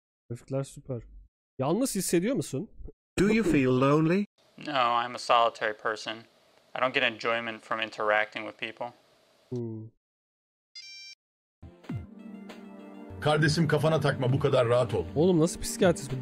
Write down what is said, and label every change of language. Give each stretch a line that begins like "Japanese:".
Turkish: Öfkeler süper. Yalnız hissediyor musun?
English: Do you feel lonely? No, I'm a solitary person. I don't get enjoyment from interacting with people.
Turkish: Kardeşim kafana takma, bu kadar rahat ol. Oğlum nasıl psikiyatrist bu?